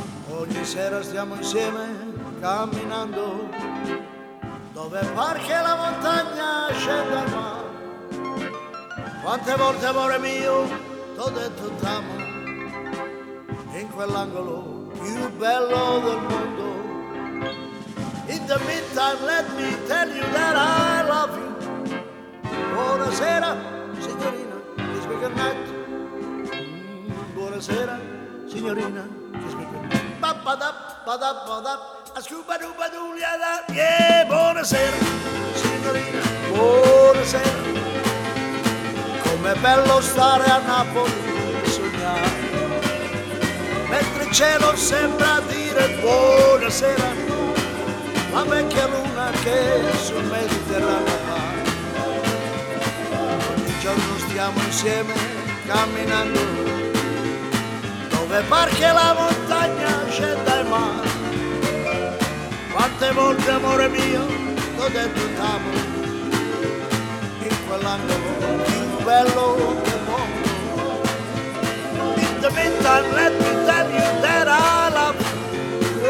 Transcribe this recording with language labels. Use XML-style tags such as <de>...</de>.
<it>Ogni sera stiamo insieme camminando, dove parchi e la montagna scende al mare. Quante volte amore mio t'ho detto t'amo, in quell'angolo più bello del mondo.</it> <en>In the meantime let me tell you that I love you.</en> <it>Buonasera signorina,</it> <en>kiss me goodnight. Buonasera signorina, kiss me goodnight. Ba-ba-dap, ba-dap, ba-dap, a-scoop-a-doop-a-doo-li-a-da.</en> <it>Yeah, buonasera signorina, buonasera, com'è bello stare a Napoli. Mentre il cielo sembra dire buonasera, la vecchia luna che sul Mediterraneo va. Ogni giorno stiamo insieme camminando, dove parche la montagna scende il mare. Quante volte amore mio t'ho detto t'amo, in quell'angolo più bello del mondo.</it> <en>The meantime, let me tell you that I love you.</en>